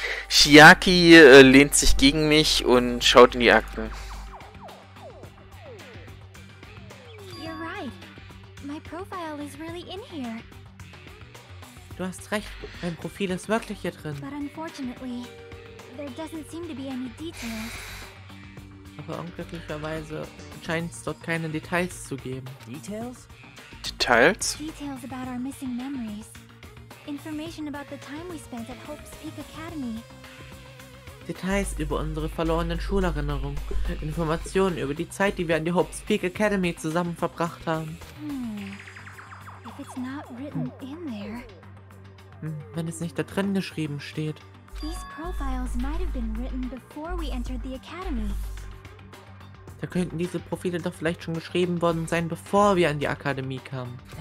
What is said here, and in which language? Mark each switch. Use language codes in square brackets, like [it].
[de] Shiaki lehnt sich gegen mich und schaut in die Akten. [en] You're right. My profile is really in here. [de] Du hast recht, mein Profil ist wirklich hier drin. [en] But unfortunately, there doesn't seem to be any details. [de] Aber unglücklicherweise scheint es dort keine Details zu geben. [en] Details? [de] Details? [en] Details about our missing memories. Information about the time we spent at Hope's Peak Academy. [de] Details über unsere verlorenen Schulerinnerungen. Informationen über die Zeit, die wir an die Hope's Peak Academy zusammen verbracht haben. [en] If it's not written in there. [de] Wenn es nicht da drin geschrieben steht. [en] These profiles might have been written before we entered the academy. [de] Da könnten diese Profile doch vielleicht schon geschrieben worden sein, bevor wir an die Akademie kamen.